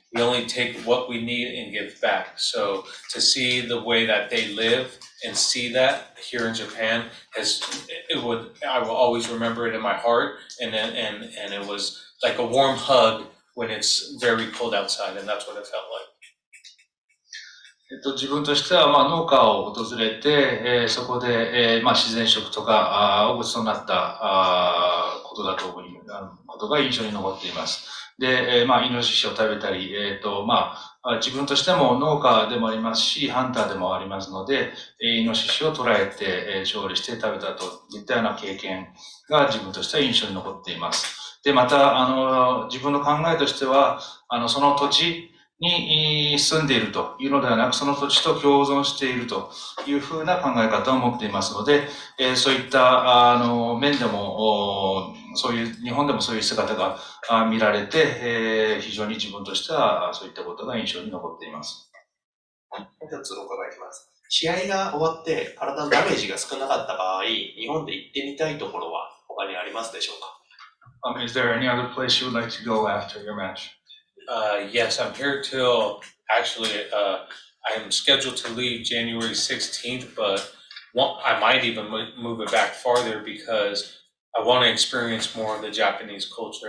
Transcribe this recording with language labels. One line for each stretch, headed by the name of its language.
English: We only take what we need and give back. So to see the way that they live and see that here in Japan, I will always remember it in my heart. And it was like a warm hug when it's very cold outside, and that's what it felt like.
Japanese: 自分としては、まあ、農家を訪れて、そこで、まあ、自然食とかをごちそうになったことだと思い、ことが印象に残っています。で、まあ、イノシシを食べたり、まあ、自分としても農家でもありますし、ハンターでもありますので、イノシシを捕らえて、調理して食べたといったような経験が自分としては印象に残っています。で、また、自分の考えとしては、その土地、に住んでいるというのではなく、その土地と共存しているというふうな考え方を持っていますので、そういった面でも、そういう日本でもそういう姿が見られて、非常に自分としてはそういったことが印象に残っています。一つお伺いします。試合が終わって体のダメージが少なかった場合、日本で行ってみたいところは他にありますでしょうか？
English: Is there any other place you would like to go after your match? Yes, I'm here till actually, I am scheduled to leave January 16th, but I might even move it back farther because I want to experience more of the Japanese culture.